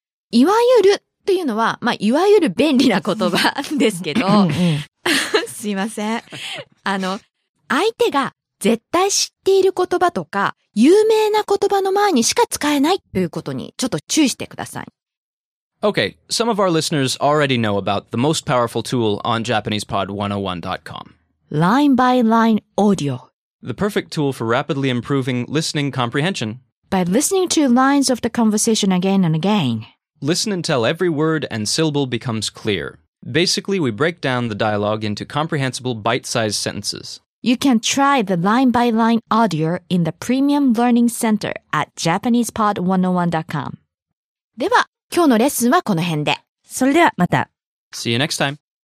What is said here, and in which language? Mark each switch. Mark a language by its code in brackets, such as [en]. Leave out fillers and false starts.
[ja] いわゆるというのは、まあ、いわゆる便利な言葉ですけど、すいません。相手が絶対知っている言葉とか、有名な言葉の前にしか使えないということにちょっと注意してください。 [en] Okay, some of our listeners already know about the most powerful tool on JapanesePod101.com. Line by line audio. The perfect tool for rapidly improving listening comprehension. By listening to lines of the conversation again and again. Listen until every word and syllable becomes clear. Basically, we break down the dialogue into comprehensible bite-sized sentences. You can try the line by line audio in the Premium Learning Center at JapanesePod101.com. [ja] では今日のレッスンはこの辺で。それではまた。 [en] See you next time.